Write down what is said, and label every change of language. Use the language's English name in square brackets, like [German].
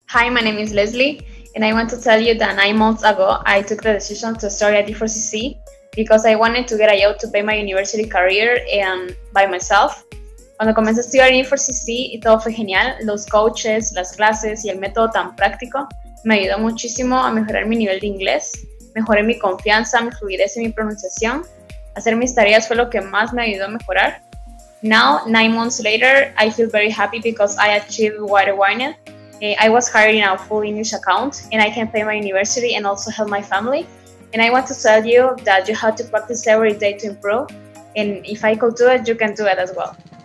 [English] Hi, my name is Leslie, and I want to tell you that 9 months ago, I took the decision to study at D4CC because I wanted to get a job to pay my university career and by myself. [Spanish] Cuando comencé a estudiar en D4CC, todo fue genial. Los coaches, las clases y el método tan práctico me ayudó muchísimo a mejorar mi nivel de inglés. Mejoré mi confianza, mi fluidez y mi pronunciación. Hacer mis tareas fue lo que más me ayudó a mejorar. [English] Now, 9 months later, I feel very happy because I achieved what I wanted. I was hired in a full English account, and I can pay my university and also help my family. And I want to tell you that you have to practice every day to improve. And if I could do it, you can do it as well.